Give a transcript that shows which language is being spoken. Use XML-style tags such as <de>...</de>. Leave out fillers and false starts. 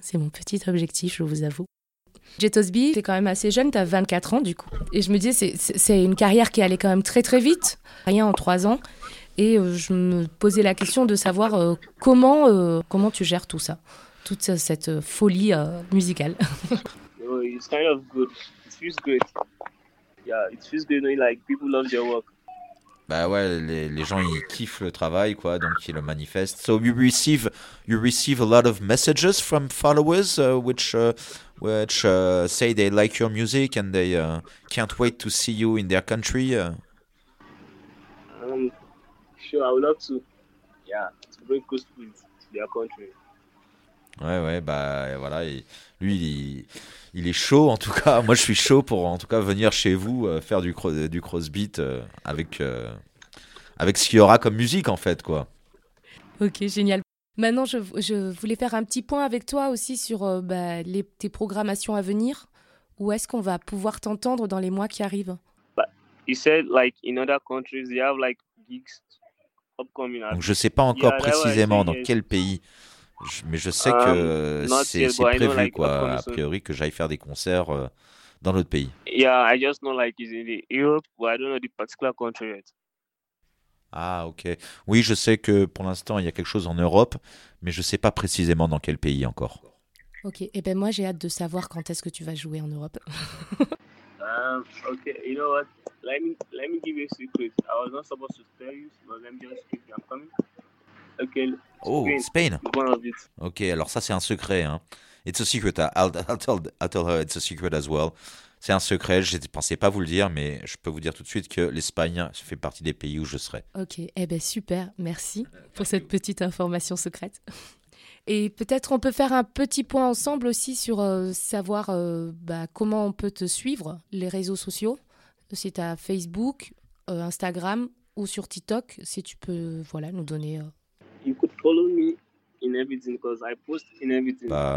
<fr>C'est mon petit objectif, je vous avoue. Jetosby, t'es quand même assez jeune, t'as 24 ans, du coup. Et je me disais, c'est une carrière qui allait quand même très, très vite. Rien en 3 ans. Et je me posais la question de savoir comment tu gères tout ça, toute cette folie musicale.</fr> <en>It's kind of good. It feels good. Yeah, it feels good, like people love their work.</en> <fr>Bah ouais, les gens ils kiffent le travail quoi, donc ils le manifestent.</fr> <en>So you receive a lot of messages from followers which say they like your music and they can't wait to see you in their country. Sure, I would love to. Yeah, to bring good food to their country.</en> <fr>Ouais, bah voilà, lui il est chaud en tout cas. Moi je suis chaud pour en tout cas venir chez vous faire du crossbeat avec ce qu'il y aura comme musique en fait, quoi. Ok, génial. Maintenant, je voulais faire un petit point avec toi aussi sur tes programmations à venir. Où est-ce qu'on va pouvoir t'entendre dans les mois qui arrivent?</fr> <en>You said like in other countries they have like gigs upcoming.</en> <fr>Donc je sais pas encore précisément dans quel pays. Mais je sais que c'est prévu,</fr> <en>know, like,</en> <fr>quoi, a priori, que j'aille faire des concerts dans l'autre pays.</fr> <en>Yeah, I just know, like, it's in Europe, but I don't know the particular country yet.</en> <fr>Ah, ok. Oui, je sais que pour l'instant, il y a quelque chose en Europe, mais je ne sais pas précisément dans quel pays encore. Ok, et ben moi j'ai hâte de savoir quand est-ce que tu vas jouer en Europe.</fr> <en>Okay, you know what? Let me give you a secret. I was not supposed to tell you, but let me just keep you coming. Okay, Oh, Spain, Spain. one of it.</en> <fr>Ok, alors ça, c'est un secret, hein.</fr> <en>It's a secret. I'll tell her it's a secret as well.</en> <fr>C'est un secret, je ne pensais pas vous le dire, mais je peux vous dire tout de suite que l'Espagne fait partie des pays où je serai. Ok, eh ben super, merci pour</fr> <en>Thank</en> <fr>cette</fr> <en>you.</en> <fr>petite information secrète. Et peut-être on peut faire un petit point ensemble aussi sur savoir comment on peut te suivre, les réseaux sociaux, si tu as Facebook, Instagram ou sur TikTok, si tu peux nous donner.</fr> <en>You could follow me in everything because I post in everything.</en>